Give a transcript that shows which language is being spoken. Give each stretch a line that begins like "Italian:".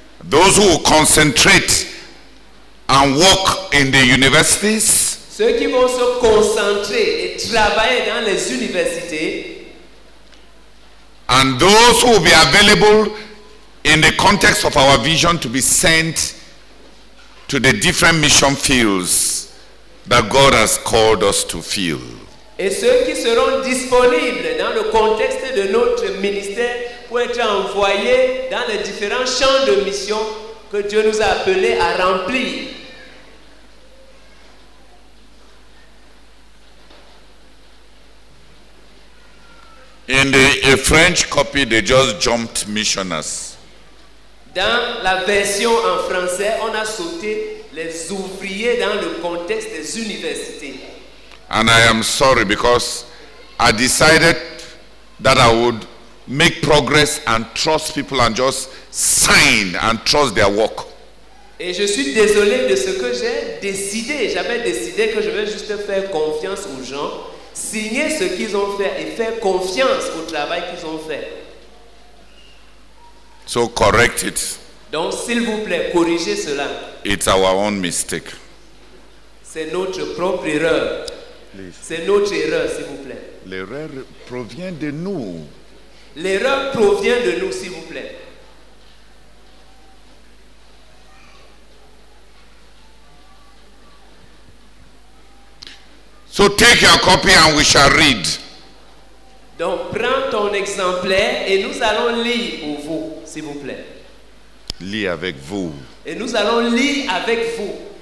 English: Those who concentrate and work in the universities.
French: Ceux qui vont se concentrer et travailler dans les universités.
English: And those who will be available in the context of our vision to be sent to the different mission fields that God has called us to fill.
French: Et ceux qui seront disponibles dans le contexte de notre ministère pour être envoyés dans les différents champs de mission que Dieu nous a appelés à remplir.
English: In the French copy, they just jumped missionaries.
French: Dans la version en français, on a sauté les ouvriers dans le contexte des universités.
English: And I am sorry because I decided that I would make progress and trust people and just sign and trust their work.
French: Et je suis désolé de ce que j'ai décidé. J'avais décidé que je vais juste faire confiance aux gens, signer ce qu'ils ont fait et faire confiance au travail qu'ils ont fait.
English: So correct it.
French: Donc s'il vous plaît, corrigez cela.
English: It's our own mistake.
French: C'est notre propre erreur. C'est notre erreur, s'il vous plaît. L'erreur provient de nous. L'erreur provient de nous, s'il vous plaît.
English: So take your copy and we shall read.
French: Donc prends ton exemplaire et nous allons lire pour vous, s'il vous plaît. Lire avec vous. Et nous allons lire avec vous.